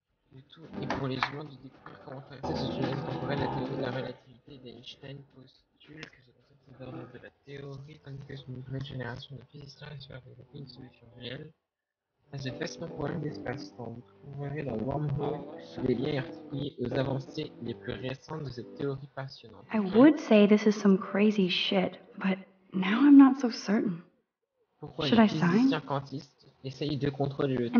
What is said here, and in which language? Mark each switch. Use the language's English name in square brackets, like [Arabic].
[French] Du tout, et pour les humains de découvrir comment traverser ce tunnel, en vrai, la théorie de la relativité d'Einstein postule que ce concept est d'ordre de la théorie, tandis que ce nouvelle génération de physiciens espère développer une solution réelle à ce vastement problème d'espace-temps. Vous trouverez dans Wormhole les liens articulés aux avancées les plus récentes de cette théorie passionnante. [English] I would say this is some crazy shit, but now I'm not so certain. [French] Pourquoi les physiciens quantistes essayent de contrôler le temps?